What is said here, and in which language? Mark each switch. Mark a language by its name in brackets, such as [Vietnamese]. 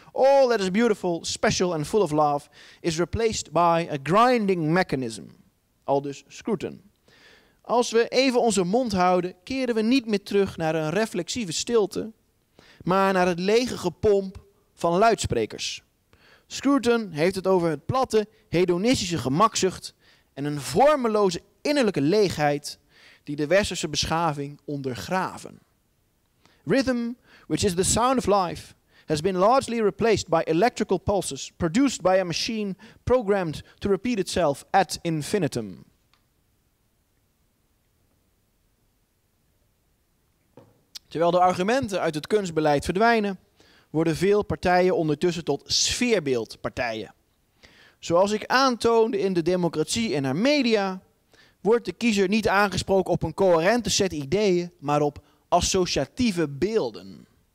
[English] All that is beautiful, special and full of love is replaced by a grinding mechanism. [Dutch] Aldus Scruton. Als we even onze mond houden, keren we niet meer terug naar een reflexieve stilte, maar naar het lege gepomp van luidsprekers. Scruton heeft het over het platte, hedonistische gemakzucht en een vormeloze innerlijke leegheid die de westerse beschaving ondergraven. [English] Rhythm, which is the sound of life, has been largely replaced by electrical pulses produced by a machine programmed to repeat itself ad infinitum. [Dutch] Terwijl de argumenten uit het kunstbeleid verdwijnen, worden veel partijen ondertussen tot sfeerbeeldpartijen. Zoals ik aantoonde in De Democratie en haar media, wordt de kiezer niet aangesproken op een coherente set ideeën, maar op associatieve beelden.